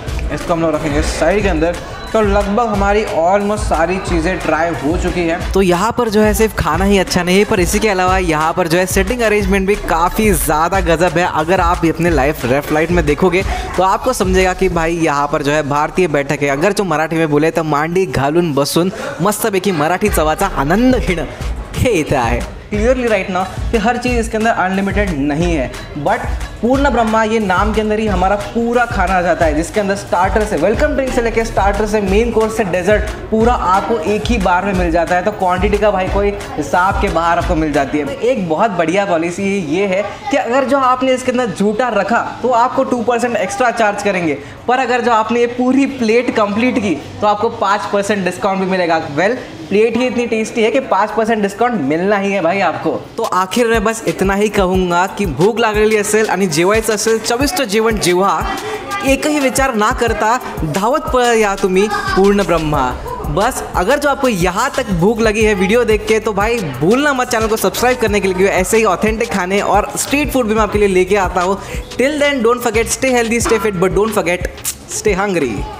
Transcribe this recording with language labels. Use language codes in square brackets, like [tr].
[hi] इसको हम लोग रखेंगे साइड के अंदर। तो लगभग हमारी ऑलमोस्ट सारी चीज़ें ड्राई हो चुकी है। तो यहाँ पर जो है सिर्फ खाना ही अच्छा नहीं है, पर इसी के अलावा यहाँ पर जो है सेटिंग अरेंजमेंट भी काफ़ी ज़्यादा गजब है। अगर आप अपने लाइफ रेफ लाइट में देखोगे तो आपको समझेगा कि भाई यहाँ पर जो है भारतीय बैठक है। अगर जो मराठी में बोले तो [mr] मांडी घालून बसून मस्तपैकी मराठी चवाचा आनंद घेणं हे इथे आहे। [hi] क्लियरली राइट ना कि हर चीज़ इसके अंदर अनलिमिटेड नहीं है, बट पूर्ण ब्रह्मा ये नाम के अंदर ही हमारा पूरा खाना आ जाता है, जिसके अंदर स्टार्टर से वेलकम ड्रिंक से लेकर स्टार्टर से मेन कोर्स से डेजर्ट पूरा आपको एक ही बार में मिल जाता है। तो क्वांटिटी का भाई कोई हिसाब के बाहर आपको मिल जाती है। एक बहुत बढ़िया पॉलिसी ये है कि अगर जो आपने इसके अंदर झूठा रखा तो आपको 2% एक्स्ट्रा चार्ज करेंगे, पर अगर जो आपने ये पूरी प्लेट कंप्लीट की तो आपको 5% डिस्काउंट भी मिलेगा। वेल प्लेट ही इतनी टेस्टी है कि 5% डिस्काउंट मिलना ही है भाई आपको। तो आखिर में बस इतना ही कहूँगा कि [mr] भूख लागलेली असेल आणि जेवायचं असेल चविष्ट जीवन जेव्हा, एकही विचार ना करता धावत पळा तुम्ही पूर्ण ब्रह्मा। [hi] बस अगर जो आपको यहाँ तक भूख लगी है वीडियो देख के तो भाई भूलना मत चैनल को सब्सक्राइब करने के लिए, ऐसे ही ऑथेंटिक खाने और स्ट्रीट फूड भी मैं आपके लिए लेके आता हूँ। [en] Till then don't forget, stay healthy stay fit but don't forget stay hungry.